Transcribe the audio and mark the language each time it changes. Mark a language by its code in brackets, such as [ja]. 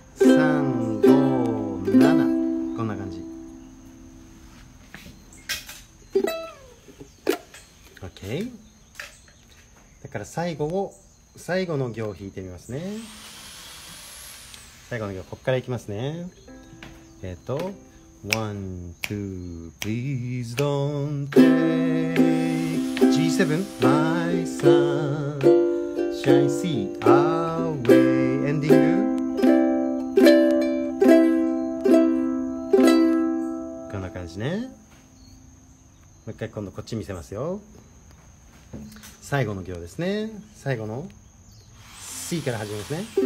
[ja] 3、5、7、こんな感じ。 OK。だから最後の行を弾いてみますね。最後の行、こっからいきますね。 [en] 1、2、Please don't take G7 My sunshine C away [ja] エンディング、こんな感じね。もう一回今度こっち見せますよ。最後の行ですね。最後の C から始めますね。